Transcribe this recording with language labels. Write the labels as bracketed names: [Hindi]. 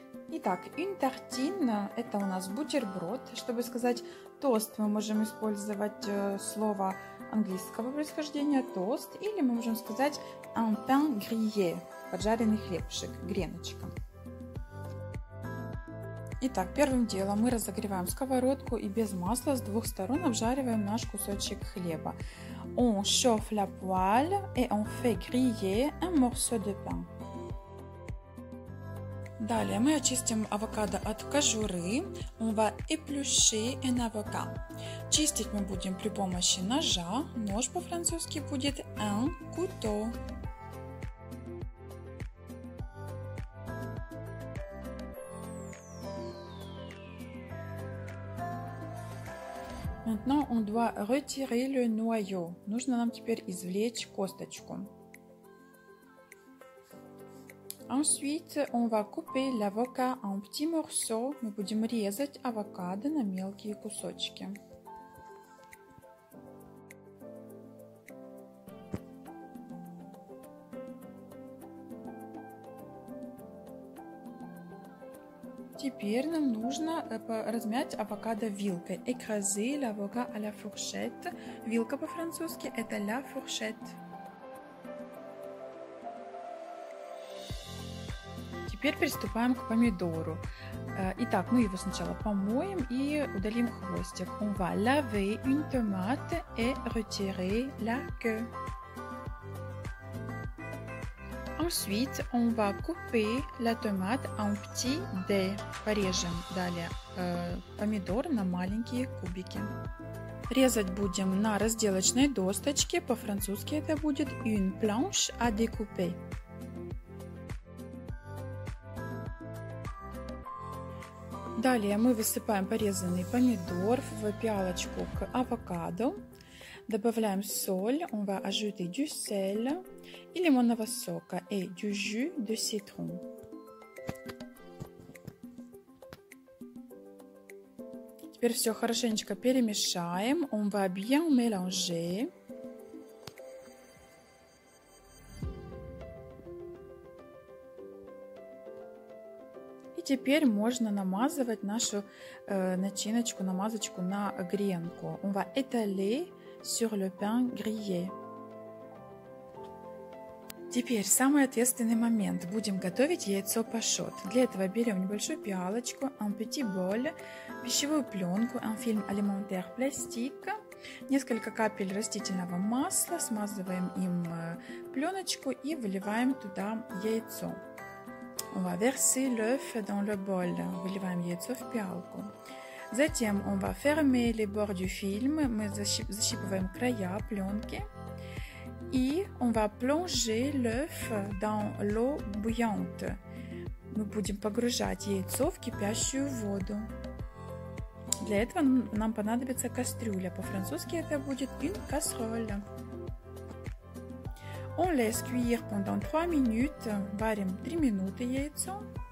[Russian] Итак, une tartine – это у нас бутерброд. Чтобы сказать тост, мы можем использовать слово английского происхождения «тост», или мы можем сказать un pain grillé – поджаренный хлебушек, греночка. Итак, первым делом мы разогреваем сковородку и без масла с двух сторон обжариваем наш кусочек хлеба. [French] On chauffe la poêle et on fait griller un morceau de pain. [Russian] Далее мы очистим авокадо от кожуры. [French] On va éplucher un avocat. [Russian] Чистить мы будем при помощи ножа. Нож по-французски будет un couteau. [French] Maintenant on doit retirer le noyau. [Russian] Нужно нам теперь извлечь косточку. [French] Ensuite, on va couper l'avocat en petits morceaux. [Russian] Мы будем резать авокадо на мелкие кусочки. Теперь нам нужно размять авокадо вилкой. [French] Écraser l'avocat à la fourchette. [Russian] Вилка по-французски это la fourchette. Теперь приступаем к помидору. Итак, мы его сначала помоем и удалим хвостик. [French] On va laver une tomate et retirer la queue. Ensuite, on va couper la tomate en petits dés. [Russian] Порежем далее помидор на маленькие кубики. Резать будем на разделочной досточке. По-французски это будет [French] une planche à découper. [Russian] Далее мы высыпаем порезанный помидор в пиалочку к авокадо. Добавляем соль, [French] on va ajouter du sel, [Russian] и лимонного сока, [French] et du jus de citron. [Russian] Теперь все хорошенечко перемешаем, [French] on va bien mélanger. [Russian] Теперь можно намазывать нашу начиночку, намазочку на гренку. [French] On va étaler sur le pain grillé. [Russian] Теперь самый ответственный момент. Будем готовить яйцо пашот. Для этого берем небольшую пиалочку, un petit bol, пищевую пленку, un film alimentaire plastique, несколько капель растительного масла, смазываем им пленочку и выливаем туда яйцо. [French] On va verser l'œuf dans le bol. [Russian] Выливаем яйцо в пиалку. [French] Затем on va fermer les bords du film. [Russian] Мы защипываем края пленки. [French] И on va plonger l'œuf dans l'eau bouillante. [Russian] Мы будем погружать яйцо в кипящую воду. Для этого нам понадобится кастрюля. По-французски это будет une casserole. [French] On laisse cuire pendant 3 minutes. [Russian] Варим 3 минуты яйцо.